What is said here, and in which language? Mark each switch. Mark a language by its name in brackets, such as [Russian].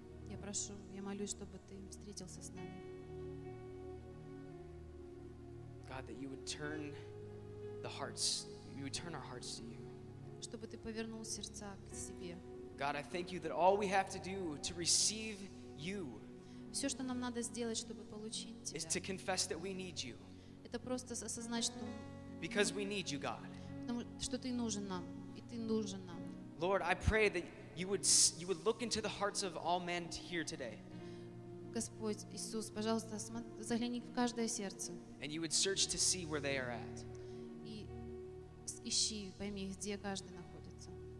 [Russian] Я прошу, я молюсь, чтобы ты встретился с нами. [English] God, that you would turn our hearts to you. [Russian] Чтобы ты повернул сердца к себе. [English] God, I thank you that all we have to do to receive you [Russian] все, что нам надо сделать, чтобы получить тебя, [English] is to confess that we need you. [Russian] Это просто осознать, что [English] because we need you, God. [Russian] Потому что ты нужен нам, и ты нужен нам. [English] Lord, I pray that you would look into the hearts of all men here today. [Russian] Господь Иисус, пожалуйста, загляни в каждое сердце. [English] And you would search to see where they are at. [Russian] И ищи, пойми, где каждый находится.